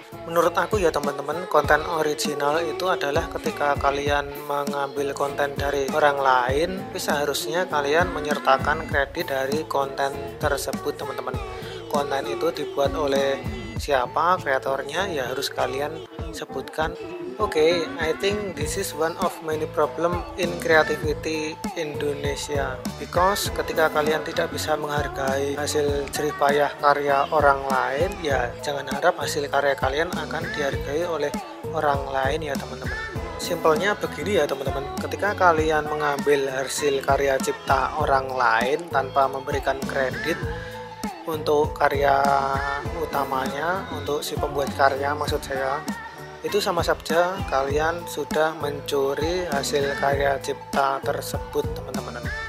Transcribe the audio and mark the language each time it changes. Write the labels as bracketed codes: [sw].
[id] Menurut aku ya teman-teman, konten original itu adalah ketika kalian mengambil konten dari orang lain, tapi seharusnya kalian menyertakan kredit dari konten tersebut teman-teman. Konten itu dibuat oleh siapa, kreatornya, ya harus kalian sebutkan. [en] Oke, okay, I think this is one of many problem in creativity Indonesia. Because [id] ketika kalian tidak bisa menghargai hasil jerih payah karya orang lain, ya jangan harap hasil karya kalian akan dihargai oleh orang lain ya teman-teman. Simpelnya begini ya teman-teman, ketika kalian mengambil hasil karya cipta orang lain tanpa memberikan kredit untuk karya utamanya, untuk si pembuat karya maksud saya, itu sama saja kalian sudah mencuri hasil karya cipta tersebut teman-teman.